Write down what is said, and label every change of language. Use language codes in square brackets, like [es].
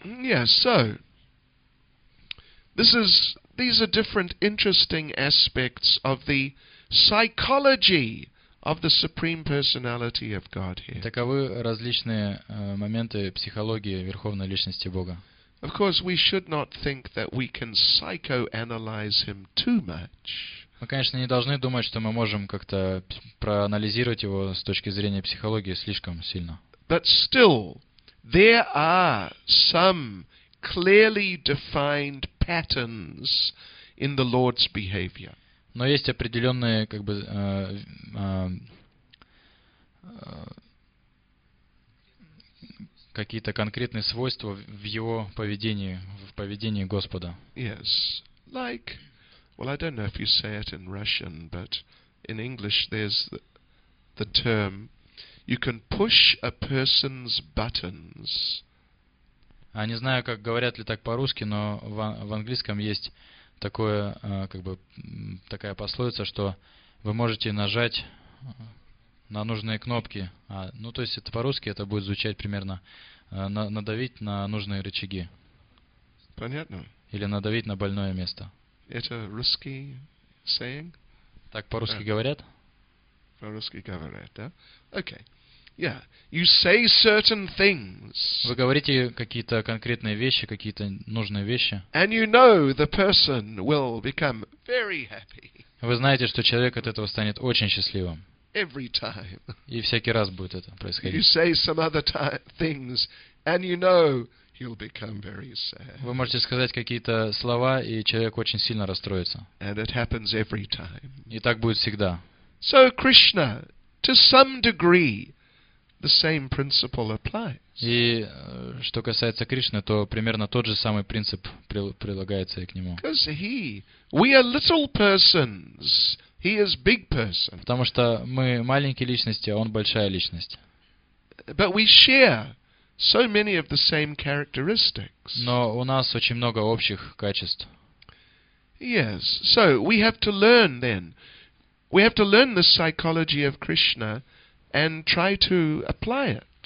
[en] Yeah, so these are different interesting aspects of the psychology of the Supreme Personality of Godhead. [ru] Таковы различные моменты психологии Верховной Личности Бога. [en] Of course, we should not think that we can psychoanalyze him too much. [ru] Мы, конечно, не должны думать, что мы можем как-то проанализировать его с точки зрения психологии слишком сильно. [en] But still, there are some clearly defined patterns in the Lord's behavior. [ru] Но есть определенные, как бы, какие-то конкретные свойства в его поведении, в поведении Господа. [en] Yes, like, well, I don't know if you say it in Russian, but in English there's the term, you can push a person's buttons. [ru] А не знаю, как говорят ли так по-русски, но в английском есть такое, как бы, такая пословица, что вы можете нажать на нужные кнопки. Ну, то есть это по-русски это будет звучать примерно надавить на нужные рычаги. Понятно. Или надавить на больное место. Это русский saying? Так по-русски говорят? По-русски говорят, да? Окей. [en] Yeah, you say certain things. [ru] Вы говорите какие-то конкретные вещи, какие-то нужные вещи. [en] And you know the person will become very happy. [ru] Вы знаете, что человек от этого станет очень счастливым. [en] Every time. [ru] И всякий раз будет это происходить. [en] You say some other things, and you know he'll become very sad. [ru] Вы можете сказать какие-то слова, и человек очень сильно расстроится. [en] And it happens every time. [ru] И так будет всегда. [en] So Krishna, to some degree, the same principle applies. [ru] И что касается Кришны, то примерно тот же самый принцип прилагается и к нему. [en] Because he, we are little persons, he is big person. [ru] Потому что мы маленькие личности, а он большая личность. [en] But we share so many of the same characteristics. [ru] Но у нас очень много общих качеств. [en] Yes. So we have to learn then. We have to learn the psychology of Krishna and try to apply it.